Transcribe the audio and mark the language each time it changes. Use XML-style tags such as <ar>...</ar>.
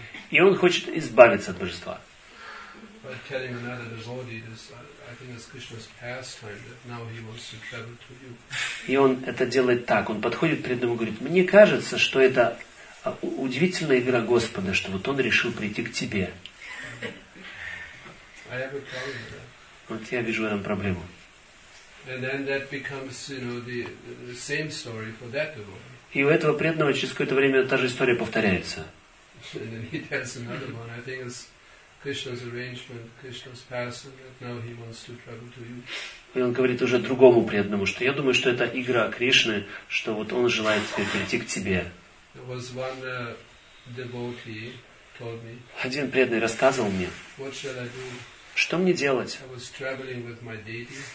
<ru>И он хочет избавиться от божества.</ru> <en>By telling another devotee this, I think it's Krishna's pastime that now he wants to travel to you.</en> <ru>И он это делает так. Он подходит к преданному и говорит: мне кажется, что это удивительная игра Господа, что вот он решил прийти к тебе.</ru> <en>I have a problem with that.</en> <ru>Вот я вижу в этом проблему.</ru> <en>And then that becomes, you know, the same story for that devotee.</en> <ru>И у этого преданного через какое-то время та же история повторяется.</ru> <en>And then he tells another one. I think it's Krishna's arrangement, Krishna's passing, that now he wants to travel to you.</en> <ru>И он говорит уже другому преданному, что я думаю, что это игра Кришны, что вот он желает теперь прийти к тебе.</ru> <en>There was one devotee told me.</en> <ru>Один преданный рассказывал мне.</ru> <en>What shall I do?</en> <ru>Что мне делать?</ru> <en>I was traveling with my deity.</en>